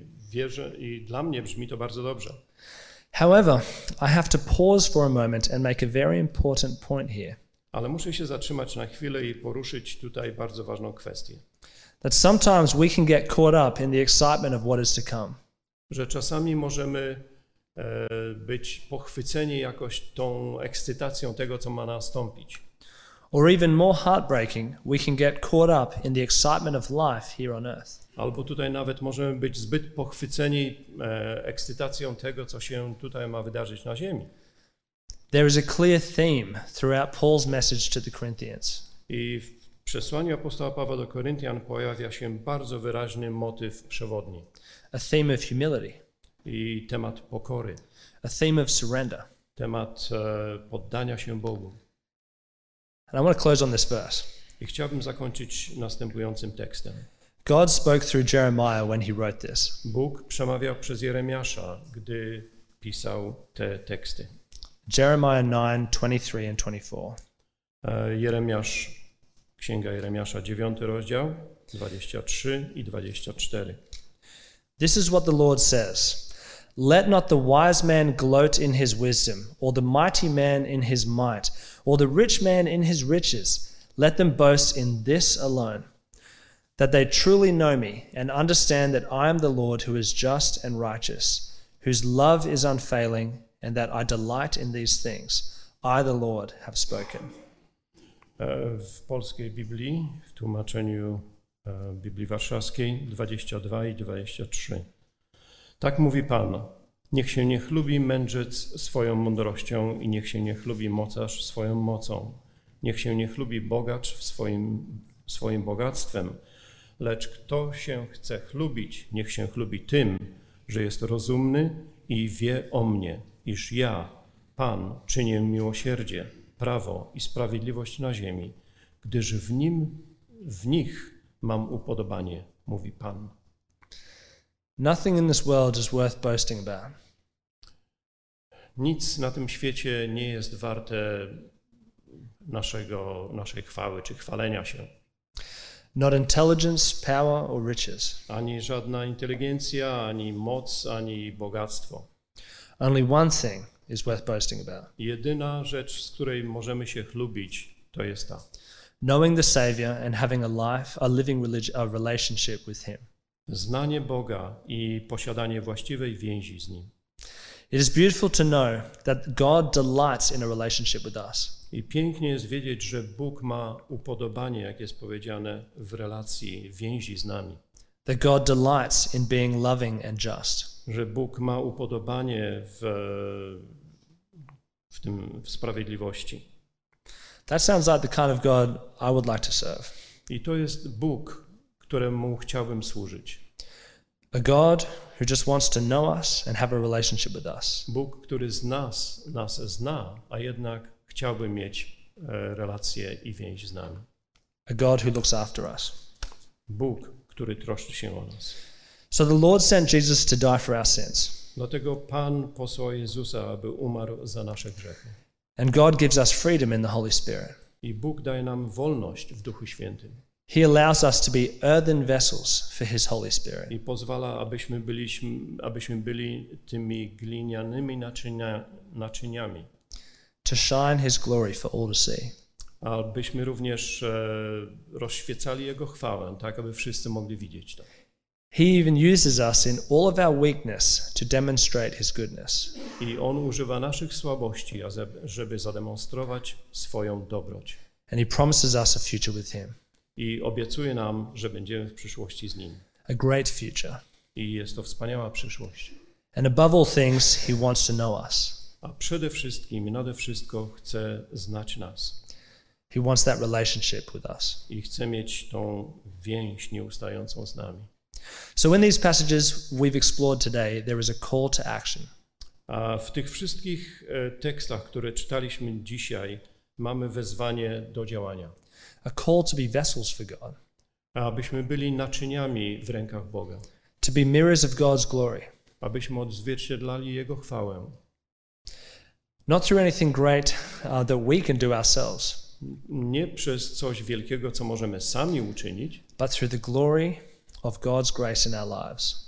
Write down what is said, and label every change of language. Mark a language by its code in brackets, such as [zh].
[pl] Wierzę i dla mnie brzmi to bardzo dobrze. [en] However, I have to pause for a moment and make a very important point here. [pl] Ale muszę się zatrzymać na chwilę i poruszyć tutaj bardzo ważną kwestię. [en] That sometimes we can get caught up in the excitement of what is to come. [pl] Że czasami możemy być pochwyceni jakoś tą ekscytacją tego, co ma nastąpić. [en] Or even more heartbreaking, we can get caught up in the excitement of life here on earth. [pl] Albo tutaj nawet możemy być zbyt pochwyceni ekscytacją tego, co się tutaj ma wydarzyć na ziemi. [en] There is a clear theme throughout Paul's message to the Corinthians. [pl] I w przesłaniu apostoła Pawła do Koryntian pojawia się bardzo wyraźny motyw przewodni. [en] A theme of humility. [pl] I temat pokory. [en] A theme of surrender. [pl] Temat poddania się Bogu. [en] And I want to close on this verse. [pl] I chciałbym zakończyć następującym tekstem. [en] God spoke through Jeremiah when he wrote this. [pl] Bóg przemawiał przez Jeremiasza, gdy pisał te teksty. [en] Jeremiah 9, 23 and 24. [pl] Jeremiasz, Księga Jeremiasza, 9 rozdział, 23 i 24. [en] This is what the Lord says. Let not the wise man gloat in his wisdom, or the mighty man in his might, or the rich man in his riches. Let them boast in this alone, that they truly know me and understand that I am the Lord who is just and righteous, whose love is unfailing, and that I delight in these things. I, the Lord, have spoken. [pl] W polskiej Biblii, w tłumaczeniu Biblii Warszawskiej, 22 i 23. Tak mówi Pan, niech się nie chlubi mędrzec swoją mądrością i niech się nie chlubi mocarz swoją mocą. Niech się nie chlubi bogacz swoim bogactwem, lecz kto się chce chlubić, niech się chlubi tym, że jest rozumny i wie o mnie, iż ja, Pan, czynię miłosierdzie, prawo i sprawiedliwość na ziemi, gdyż w nich mam upodobanie, mówi Pan. [en] Nothing in this world is worth boasting about. [pl] Nic na tym świecie nie jest warte naszej chwały czy chwalenia się. [en] Not intelligence, power or riches. [pl] Ani żadna inteligencja, ani moc, ani bogactwo. [en] Only one thing is worth boasting about. [pl] Jedyna rzecz, z której możemy się chlubić, to jest ta. [en] Knowing the Savior and having a life, a living a relationship with Him. [pl] Znanie Boga i posiadanie właściwej więzi z Nim. [en] It is beautiful to know that God delights in a relationship with us. [pl] I pięknie jest wiedzieć, że Bóg ma upodobanie, jak jest powiedziane, w relacji więzi z nami. [en] That God delights in being loving and just. [pl] Że Bóg ma upodobanie w tym w sprawiedliwości. [en] That sounds like the kind of God I would like to serve. [pl] I to jest Bóg, któremu chciałbym służyć. [en] A God who just wants to know us and have a relationship with us. [pl] Bóg, który z nas zna, a jednak chciałby mieć relacje i więź z nami. [en] A God who looks after us. [pl] Bóg, który troszczy się o nas. [en] So the Lord sent Jesus to die for our sins. [pl] Dlatego Pan posłał Jezusa, aby umarł za nasze grzechy. [en] And God gives us freedom in the Holy Spirit. [pl] I Bóg daje nam wolność w Duchu Świętym. [en] He allows us to be earthen vessels for His Holy Spirit. [pl] I pozwala, abyśmy byli tymi glinianymi naczyniami. [en] To shine His glory for all to see. [pl] Abyśmy również rozświecali Jego chwałę, tak aby wszyscy mogli widzieć to. [en] He even uses us in all of our weakness to demonstrate His goodness. [pl] I On używa naszych słabości, żeby zademonstrować swoją dobroć. [en] And He promises us a future with Him. [pl] I obiecuje nam, że będziemy w przyszłości z Nim. [en] A great future. [pl] I jest to wspaniała przyszłość. [en] And above all things, He wants to know us. [pl] A przede wszystkim i nade wszystko chce znać nas. [en] He wants that relationship with us. [pl] I chce mieć tą więź nieustającą z nami. [en] So in these passages we've explored today, there is a call to action. [pl] A w tych wszystkich tekstach, które czytaliśmy dzisiaj, mamy wezwanie do działania. [en] A call to be vessels for God. [pl] Abyśmy byli naczyniami w rękach Boga. [en] To be mirrors of God's glory. [pl] Abyśmy odzwierciedlali Jego chwałę. [en] Not through anything great that we can do ourselves. [pl] Nie przez coś wielkiego, co możemy sami uczynić. [en] But through the glory of God's grace in our lives.